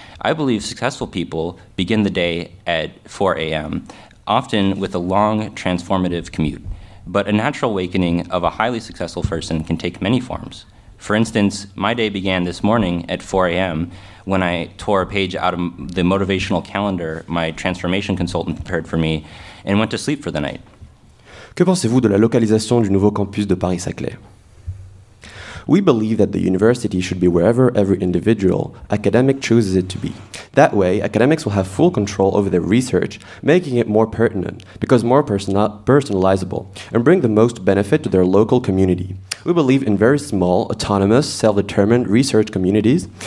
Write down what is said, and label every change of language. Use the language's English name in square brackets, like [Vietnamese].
[English] I believe successful people begin the day at 4 a.m., often with a long, transformative commute. But a natural awakening of a highly successful person can take many forms. For instance, my day began this morning at 4 a.m. when I tore a page out of the motivational calendar my transformation consultant prepared for me and went to sleep for the night. [French] Que pensez-vous de la localisation du nouveau campus de Paris-Saclay? [English] We believe that the university should be wherever every individual, academic, chooses it to be. That way, academics will have full control over their research, making it more pertinent, because more personalizable, and bring the most benefit to their local community. We believe in very small, autonomous, self-determined research communities.